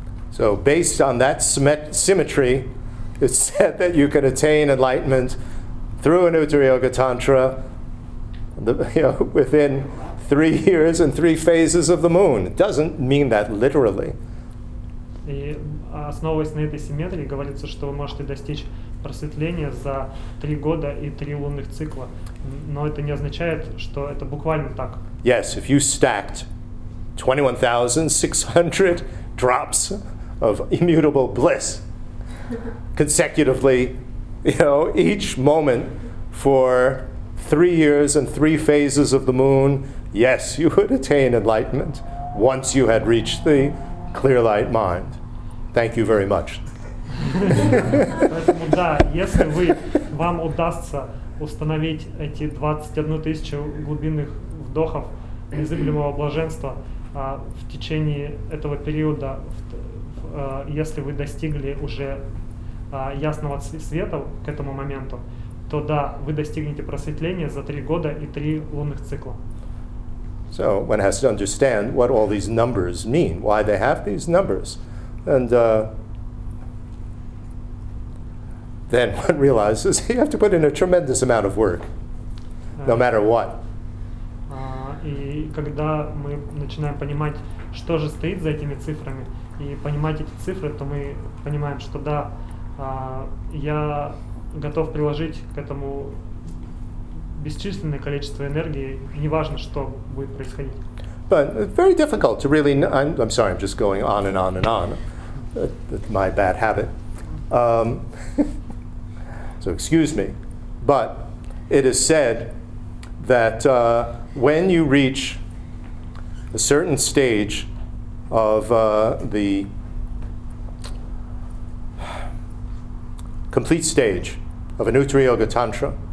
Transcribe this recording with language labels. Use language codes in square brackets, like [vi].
[en] So based on that symmetry, it's said that you can attain enlightenment through an Uttara Yoga Tantra within 3 years and 3 phases of the moon. It doesn't mean that literally. [ru] И основываясь на этой симметрии, говорится, что вы можете достичь просветления за 3 года и 3 лунных цикла. Но это не означает, что это буквально так. [en] Yes, if you stacked 21,600 drops of immutable bliss consecutively, you know, each moment for 3 years and 3 phases of the moon, yes, you would attain enlightenment once you had reached the clear light mind. Thank you very much. [ru] Поэтому да, если вы вам удастся установить эти 21,000 глубинных вдохов незыблемого блаженства в течение этого периода, если вы достигли уже ясного света к этому моменту, то да, вы достигнете просветления за 3 года и 3 лунных цикла. [en] So one has to understand what all these numbers mean, why they have these numbers. And then one realizes you have to put in a tremendous amount of work, no matter what. [ru] И когда мы начинаем понимать, что же стоит за этими цифрами, и понимать эти цифры, то мы понимаем, что да, я готов приложить к этому бесчисленное количество энергии, неважно, что будет происходить. [en] But it's very difficult to really know. I'm sorry, I'm just going on and on and on. That's my bad habit. so excuse me. But it is said that when you reach a certain stage of the complete stage of an Uttara Yoga Tantra,